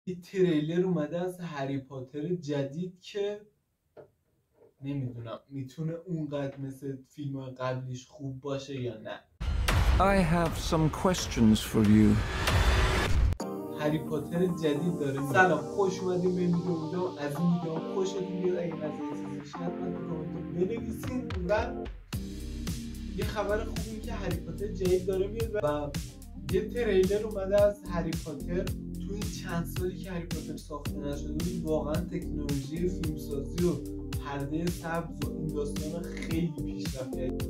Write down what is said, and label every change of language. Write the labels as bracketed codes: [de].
[fa] این تریلر اومده از هری پاتر جدید که نمیدونم میتونه اونقدر مثل فیلم قبلیش خوب باشه یا نه. [en] I have some questions for you. [fa] هری پاتر جدید داره. سلام، خوش اومدیم به این ویدیو. از این ویدیو خوشتون بیاد. اگه از این چیزی شد من کامنت بنویسین. و یه خبر خوب این که هری پاتر جدید داره میاد و یه تریلر اومده از هری پاتر. تو این چند سالی که هری پاتر ساخته نشده بود واقعا تکنولوژی فیلمسازی و پرده سبز و این داستان خیلی پیشرفت کرد.